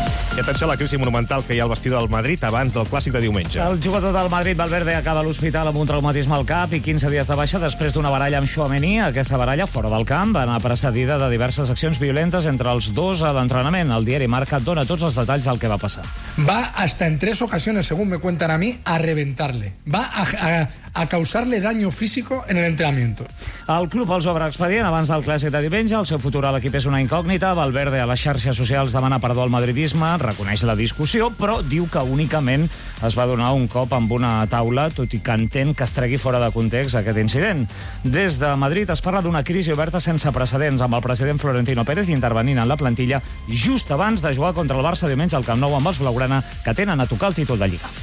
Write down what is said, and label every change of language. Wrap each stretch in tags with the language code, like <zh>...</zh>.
<ca>I atenció a la crisi monumental que hi ha al vestidor del Madrid abans del clàssic de diumenge. El jugador del Madrid, Valverde, acaba a l'hospital amb un traumatisme al cap i 15 dies de baixa després d'una baralla amb Tchouaméni. Aquesta baralla, fora del camp, va anar precedida de diverses accions violentes entre els dos a l'entrenament. El diari Marca dona tots els detalls del que va passar.</ca> <es>Va hasta en tres ocasiones, según me cuentan a mí, a reventarle. Va a causarle daño físico en el entrenamiento.</es> <ca>El club els obre expedient abans del clàssic de diumenge. El seu futur a l'equip és una incògnita. Valverde a les xarxes socials demana perdó al madridisme, reconeix la discussió, però diu que únicament es va donar un cop amb una taula, tot i que entén que es tregui fora de context aquest incident. Des de Madrid es parla d'una crisi oberta sense precedents, amb el president Florentino Pérez intervenint en la plantilla just abans de jugar contra el Barça diumenge al Camp Nou amb els blaugrana, que tenen a tocar el títol de Lliga.</ca>